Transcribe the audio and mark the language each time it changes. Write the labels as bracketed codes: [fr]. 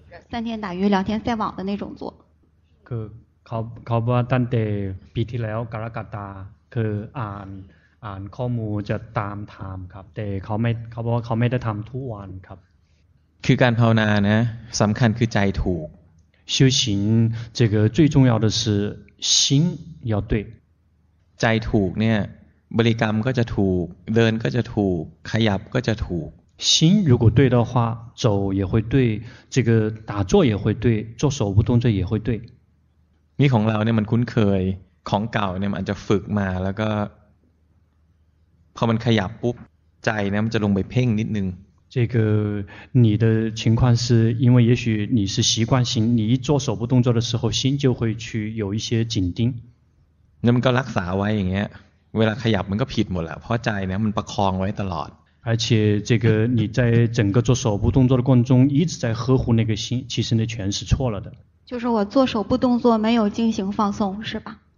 [zh] 三天打鱼两天晒网的那种做 [th] คือเขาว่าตั้งแต่ปีที่แล้วกรกฎาคืออ่านข้อมูลจะตามถามครับแต่เขาบอกว่าเขาไม่ได้ทำทุกวันครับ คือการภาวนานะสำคัญคือใจถูก [zh] 修行这个最重要的是心要对 [th] ใจถูกเนี่ยบริกรรมก็จะถูกเดินก็จะถูกขยับก็จะถูก [zh] 心如果对的话走也会对这个打坐也会对做手部动作也会对 [th] นี่ของเราเนี่ยมันคุ้นเคยของเก่าเนี่ยมันจะฝึกมาแล้วก็พอมันขยับปุ๊บใจเนี่ยมันจะลงไปเพ่งนิดนึง [zh] 这个你的情况是因为也许你是习惯性你一做手部动作的时候心就会去有一些紧盯 [th] นั่นก็รักษาไว้อย่างเงี้ยเวลาขยับมันก็ผิดหมดแหละเพราะใจเนี่ยมันประคองไว้ตลอด [zh] 而且这个你在整个做手部动作的过程中一直在呵护那个心其实那全是错了的就是我做手部动作没有进行放松是吧